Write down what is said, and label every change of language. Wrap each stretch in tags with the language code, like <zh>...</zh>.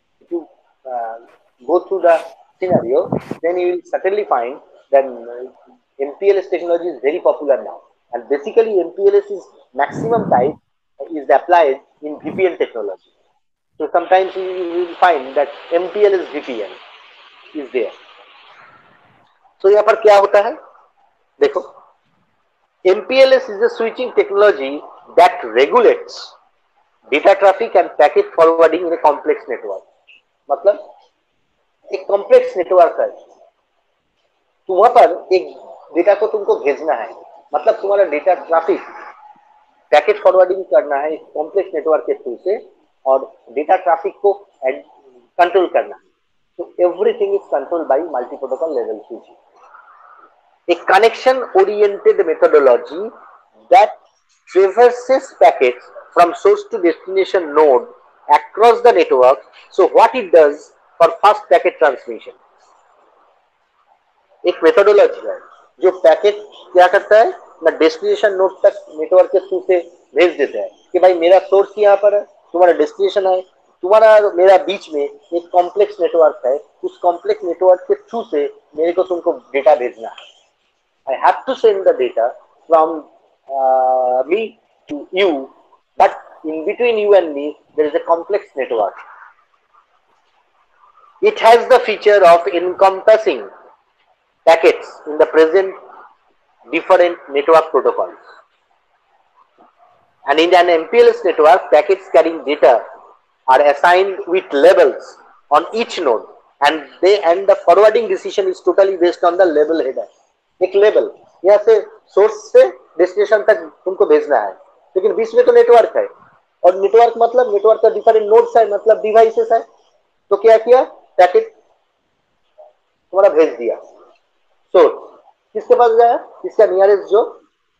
<en>To go through the scenario then you will certainly find that MPLS technology is very popular now, and basically MPLS is maximum type is applied in VPN technology, so sometimes you will find that MPLS VPN is there. So</en> <hi>यहाँ पर क्या होता है देखो,</hi> <en>MPLS is a switching technology that regulates data traffic and packet forwarding in a complex network.</en> <hi>मतलब एक complex network है, वहां पर एक डेटा को तुमको भेजना है, मतलब तुम्हारा डेटा ट्रैफिक पैकेट फॉरवर्डिंग करना है एक कॉम्प्लेक्स नेटवर्क के थ्रू से, और डेटा ट्रैफिक को कंट्रोल करना है, तो</hi> <en>Everything is controlled by multi protocol level switching. A connection oriented methodology that traverses packets from source to destination node across the network. So what it does for fast packet transmission?</en> <hi>एक methodology है जो packet क्या करता है ना destination node तक network के through से भेज देता है कि भाई मेरा source यहाँ पर है, तुम्हारा destination है, तुम्हारा मेरा बीच में एक complex network है, उस complex network के through से मेरे को तुमको data भेजना है।</hi> <en>I have to send the data from me to you, but in between you and me, there is a complex network. It has the feature of encompassing packets in the present different network protocols. And in an MPLS network, packets carrying data are assigned with labels on each node, and the forwarding decision is totally based on the label header.</en> <hi>एक level यहाँ से source से destination तक तुमको भेजना है, लेकिन बीच में तो नेटवर्क है, और नेटवर्क मतलब नेटवर्क का डिफरेंट नोड्स है, मतलब डिवाइसेस है, तो क्या किया पैकेट तुम्हारा भेज दिया सोर्स, किसके पास गया, इसका नियरेस्ट जो</hi>